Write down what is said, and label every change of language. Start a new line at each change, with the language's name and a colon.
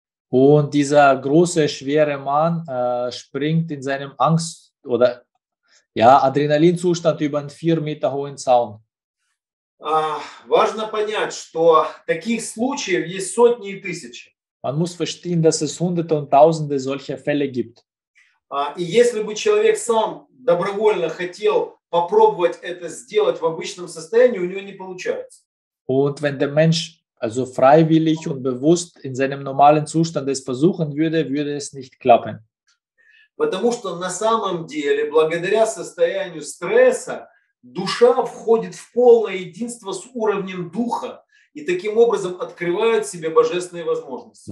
German: Und dieser große, schwere Mann springt in seinem Angst oder ja, Adrenalinzustand über einen 4 Meter hohen Zaun.
Russian: Важно понять, что таких случаев есть сотни и тысячи.
German: Man muss verstehen, dass es hunderte und tausende solcher Fälle gibt.
Russian: И если бы человек сам добровольно хотел попробовать это сделать в обычном состоянии, у него не получается.
German: Und wenn der Mensch also freiwillig und bewusst in seinem normalen Zustand es versuchen würde, würde es nicht klappen.
Russian: Потому что на самом деле, благодаря состоянию стресса, душа входит в полное единство с уровнем духа и таким образом открывает себе божественные возможности.